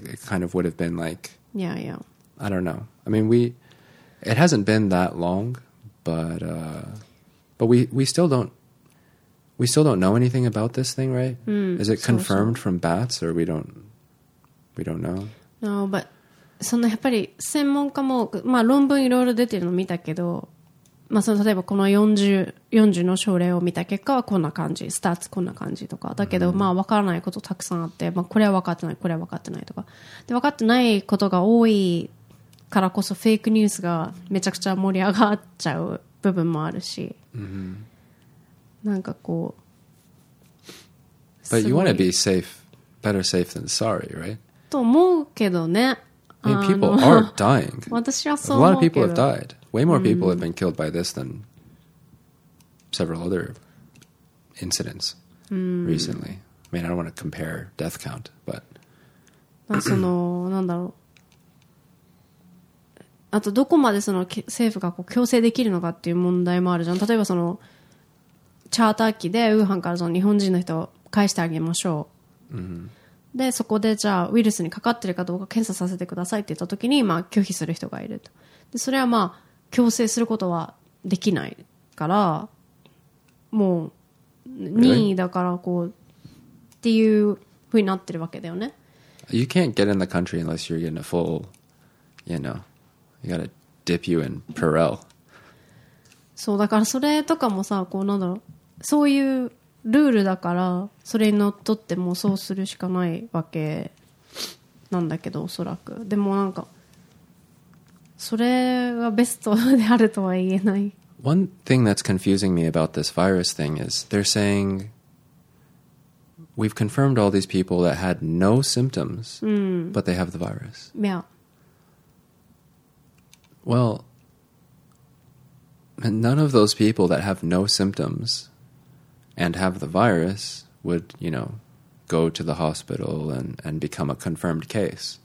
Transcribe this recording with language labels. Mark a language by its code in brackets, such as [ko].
[en] It kind of would have been like, yeah. I don't know. I mean, it hasn't been that long, but we still don't know anything about this thing, right? Is it confirmed from bats, or we don't know? No, but [ja] そのやっぱり専門家も、まあ、論文いろいろ出てるの見たけど、まあ、その例えばこの 40の症例を見た結果はこんな感じ、スタッツこんな感じとかだけど、まあ分からないことたくさんあって、まあ、これは分かってない、これは分かってないとかで、分かってないことが多いからこそフェイクニュースがめちゃくちゃ盛り上がっちゃう部分もあるし、なんかこう、 [en] But you want to be safe, better safe than sorry, right? [ja] と思うけどね。 [en] I mean, people are dying. [ja] 私はそう思うけど、 [en] A lot of people have died. Way more people have been killed by this than several other incidents recently. I mean, I don't want to compare death count, but... [ja] その、なんだろう。あとどこまでその政府がこう強制できるのかっていう問題もあるじゃん。例えばその、チャーター機でウーハンからその日本人の人を返してあげましょう。でそこでじゃあウイルスにかかってるかどうか検査させてくださいって言った時に、まあ、拒否する人がいると。でそれはまあ強制することはできないから、もう任意だからこう、 [en] really? [ja] っていうふうになってるわけだよね。 [en] You can't get in the country unless you're getting a full, you know, you gotta dip you in Purell. [ja] そうだから、それとかもさ、こうなんだろう、そういうルールだからそれにのっとってもそうするしかないわけなんだけど、おそらく。でもなんかそれがベストであるとは言えない。 [en] One thing that's confusing me about this virus thing is they're saying we've confirmed all these people that had no symptoms but they have the virus. Yeah. Well, none of those people that have no symptomsand have the virus would, you know, go to the hospital and become a confirmed case,